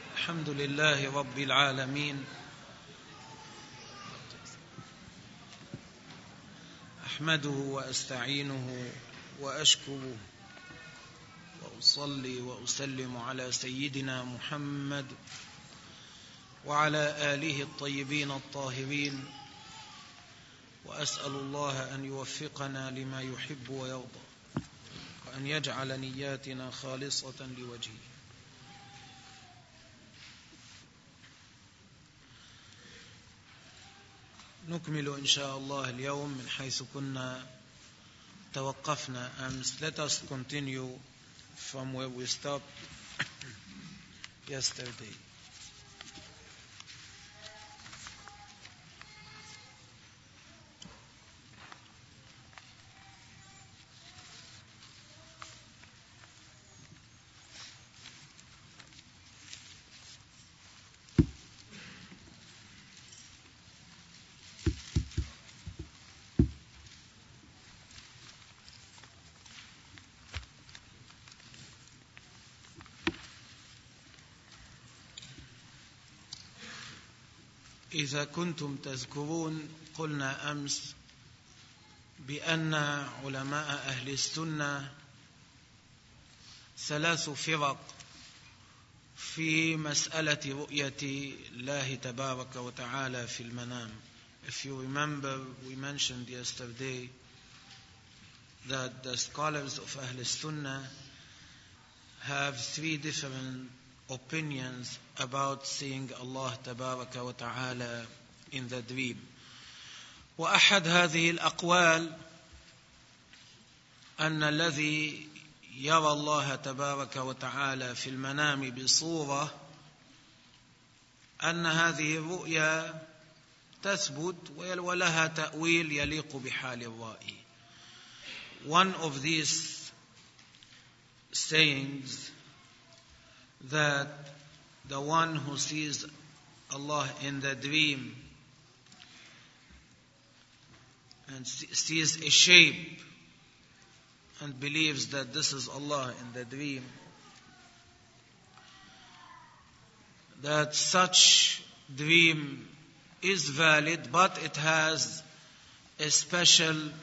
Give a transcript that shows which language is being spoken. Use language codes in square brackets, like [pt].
[ar] الحمد لله رب العالمين أحمده وأستعينه وأشكره وأصلي وأسلم على سيدنا محمد وعلى آله الطيبين الطاهرين وأسأل الله أن يوفقنا لما يحب ويرضى وأن يجعل نياتنا خالصة لوجهه. نكمل إن شاء الله اليوم من حيث كنا توقفنا أمس. [en] Let us continue from where we stopped yesterday. [ar] إذا كنتم تذكرون قلنا أمس بأن علماء أهل السنة ثلاث فرق في مسألة رؤية الله تبارك وتعالى في المنام. [en] If you remember, we mentioned yesterday that the scholars of أهل السنة have three different opinions about seeing Allah تبارك وتعالى in the dream. [ar] وأحد هذه الأقوال أن الذي يرى الله تبارك وتعالى في المنام بصورة أن هذه الرؤيا تثبت ولها تأويل يليق بحال الرائي. [en] One of these sayings that the one who sees Allah in the dream and sees a shape and believes that this is Allah in the dream, that such dream is valid, but it has a special